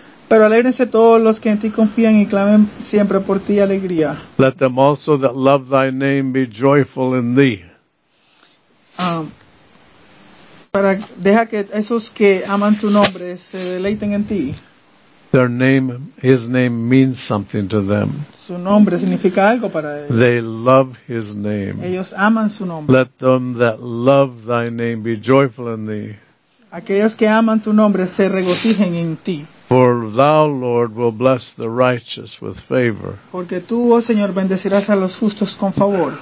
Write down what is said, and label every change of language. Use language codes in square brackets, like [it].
[es] Pero alégrense todos los que en ti confían y clamen siempre por ti alegría. [en] Let them also that love thy name be joyful in thee. [es] Para deja que esos que aman tu nombre se deleiten en ti. [en] Their name, his name means something to them. [es] Su nombre significa algo para ellos. [en] They love his name. [es] Ellos aman su nombre. [en] Let them that love thy name be joyful in thee. [es] Aquellos que aman tu nombre se regocijen en ti. [en] For thou, Lord, will bless the righteous with favor. [es] Porque tú, oh Señor, bendecirás a los justos con favor.